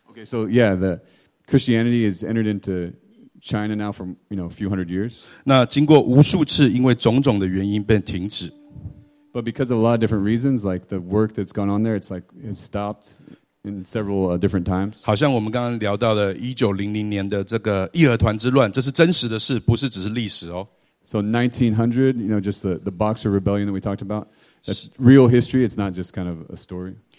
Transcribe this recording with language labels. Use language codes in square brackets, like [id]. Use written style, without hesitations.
[en] Okay, so yeah, the Christianity has entered into China now for, you know, a few hundred years. [zh] 那经过无数次因为种种的原因被停止。 [en] But because of a lot of different reasons, like the work that's gone on there, it's like it stopped in several different times. [zh] 好像我们刚刚聊到的1900年的这个义和团之乱，这是真实的事，不是只是历史哦。 [en] So 1900, you know, just the Boxer Rebellion that we talked about, that's real history, it's not just kind of a story.